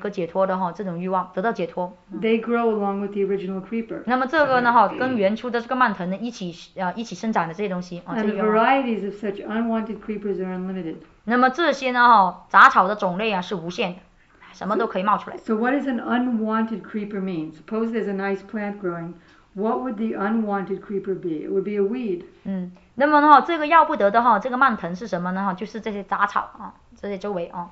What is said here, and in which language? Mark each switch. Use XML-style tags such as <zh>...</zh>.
<zh>从这个物质世界里面得到非人格解脱的这种欲望得到解脱</zh> <en>They grow along with the original creeper</en> <zh>那么这个呢跟原初的这个蔓藤一起生长的这些东西</zh> <en>And the varieties of such unwanted creepers are unlimited</en> <zh>那么这些呢杂草的种类是无限的什么都可以冒出来</zh> <en>so what does an unwanted creeper mean? Suppose there's a nice plant growing What would the unwanted creeper be? It would be a weed</en> <zh>那么这个要不得的这个蔓藤是什么呢就是这些杂草这些周围</zh>